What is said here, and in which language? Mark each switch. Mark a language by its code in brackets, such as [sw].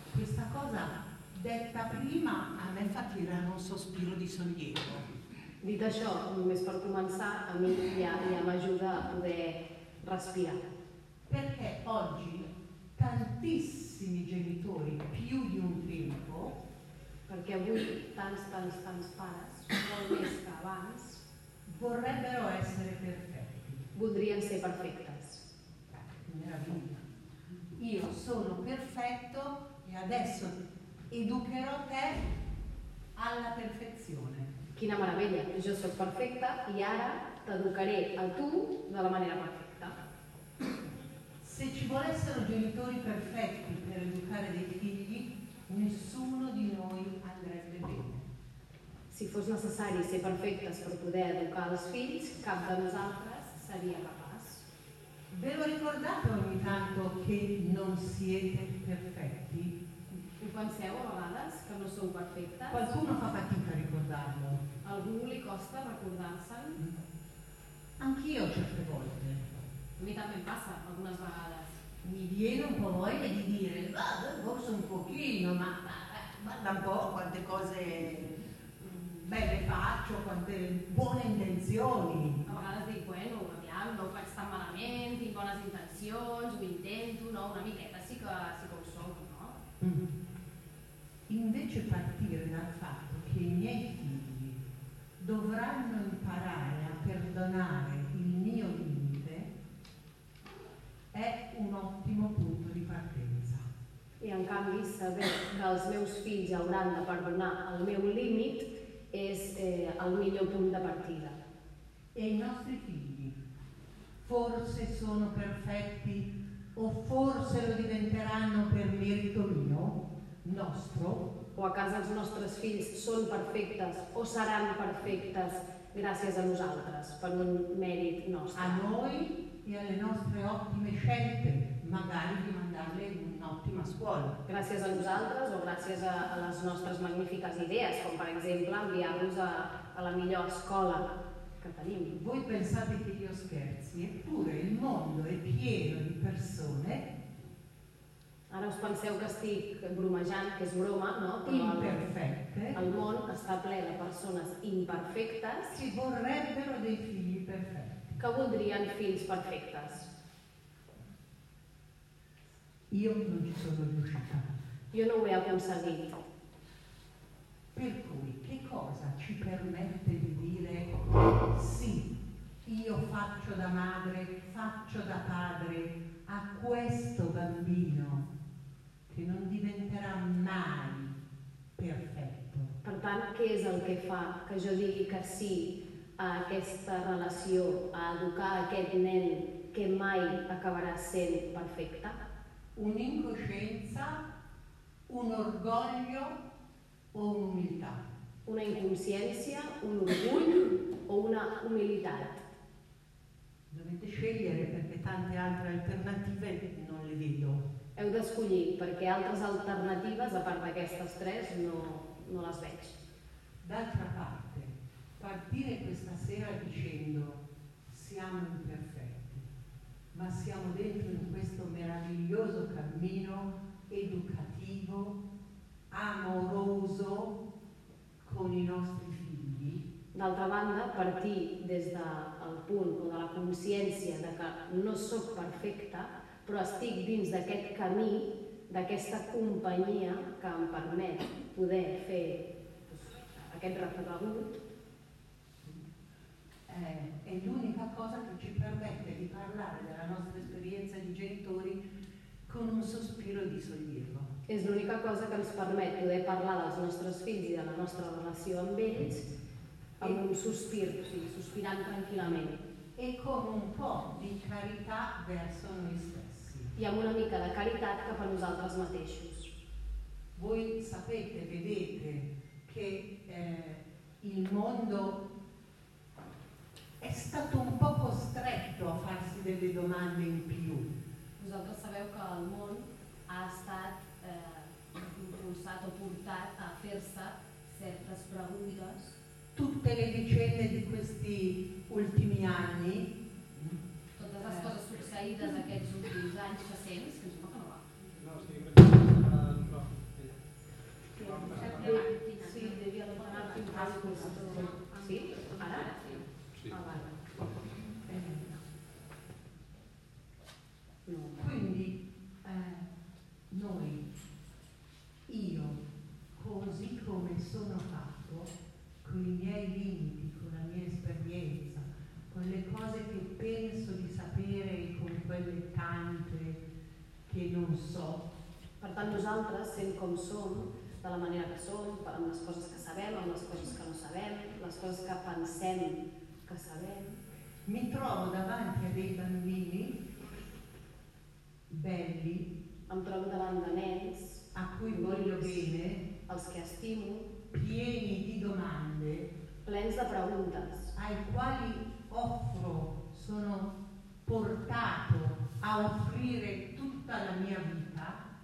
[it] Questa cosa detta prima a me fa tirare un sospiro di sollievo. [ca] Dita ciò, només per començar, a me m'aiuta a poter respirare. [it] Perché oggi tantissimi genitori, più di un tempo, [ca] perché avui tants pares, molt més que abans, [it] vorrebbero essere perfetti. [ca] Voldrien ser perfectes. [it] Meraviglia. Io sono perfetto e adesso educherò te alla perfezione. [ca] Quina meraviglia. Jo soc perfecta i ara t'educaré a tu de la manera perfecta. [it] Se ci volessero genitori perfetti per educare dei figli, nessuno di noi andrebbe bene. [ca] Si fos necessari ser perfectes per poder educar els fills, cap de nosaltres seria capaç. [it] Ve lo ricordate ogni tanto che non siete perfetti? [ca] Ho penseu a vegades que no sou perfectes? [it] Qualcuno fa fatica a ricordarlo. [ca] Algú li costa recordar-se'n? [it] Anch'io certe volte. [ca] A mi també passa, algunes vegades. [it] Mi viene un po' voglia di dire, vado, forse un pochino, ma guarda un po' quante cose belle faccio, quante buone intenzioni. [ca] A vegades dic, bueno, aviam, no ho faig tan malament, tinc bones intencions, ho intento, no? Una miqueta sí que ho soc, no? Mm-hmm. [it] Invece partire dal fatto che i miei figli dovranno imparare a perdonare il mio limite è un ottimo punto di partenza. E in cambio sapere che i miei figli dovranno perdonare il mio limite è il miglior punto di partita. E i nostri figli forse sono perfetti o forse lo diventeranno per merito mio? Nostro? [ca] O a casa els nostres fills són perfectes o seran perfectes gràcies a nosaltres, per un mèrit nostre. [it] A noi i alle nostre ottime scelte, magari di mandarle un'ottima scuola. [ca] Gràcies a nosaltres o gràcies a les nostres magnifiques idees, com per exemple enviar-los a la millor escola que tenim. [it] Voi pensate che io scherzi, eppure il mondo è pieno di persone. [ca] Ara us penseu que estic bromejant, que és broma, no? Però imperfecte. El món està ple de persones imperfectes. [it] Si vorrebbero dei figli perfetti. [ca] Que voldrien fills perfectes. [it] Io non ci sono riuscita. [ca] Jo no ho he aconseguit. [it] Per cui, che cosa ci permette di dire sì, io faccio da madre, faccio da padre a questo bambino? Che non diventerà mai perfetto. [ca] Per tant, què és el que fa que jo digui que sí a aquesta relació, a educar aquest nen que mai acabarà sent perfecte? [it] Un'incoscienza, un orgoglio o un'umiltà? [ca] Una inconsciència, un orgull o una humilitat? [it] Dovete scegliere perché tante altre alternative non le vedo. [ca] Heu d'escollir, perquè altres alternatives, a part d'aquestes tres, no les veig. [it] D'altra parte, partire questa sera dicendo siamo imperfetti, ma siamo dentro in questo meraviglioso cammino educativo, amoroso, con i nostri figli. [ca] D'altra banda, partir des del punt o de la consciència de que no sóc perfecta, però estic dins d'aquest camí, d'aquesta companyia que em permet poder fer aquest recorregut. [it] È l'unica cosa che ci permette di parlare della nostra esperienza di genitori con un sospiro di sollievo. [ca] És l'única cosa che ens permet poder parlar dels nostres fills i della nostra relació amb ells amb un sospir, o sigui, sospirant tranquil·lament. [it] E con un po' di carità verso noi stessi. [ca] I amb una mica de caritat cap a nosaltres mateixos. [it] Voi sapete, vedete, que il mondo è stato un po' costretto a farsi delle domande in più. [ca] Vosaltres sabeu que el món ha estat impulsat o portat a fer-se certes preguntes. [it] Tutte le vicende di questi ultimi anni. [ca] Totes les coses succeïdes aquests últims anys que sents, que no acaba. No, estic pensant en el sí, devia demanar un pas per sí, ara? Sí. Sí. Ah, no. [it] Quindi, noi, io, così come sono fatto, con i miei limiti, con la mia esperienza, con le cose che penso di sapere e con quelle tante che non so. [ca] Per tant, nosaltres, sent com som, de la manera que som, amb les coses que sabem, amb les coses que no sabem, les coses que pensem que sabem. [it] Mi trovo davanti a dei bambini belli, [ca] em trobo davant de nens [it] a cui voglio bene, [ca] els que estimo, [it] pieni di domande, [ca] plens de preguntes, [it] ai quali offro, sono portato a offrire tutta la mia vita,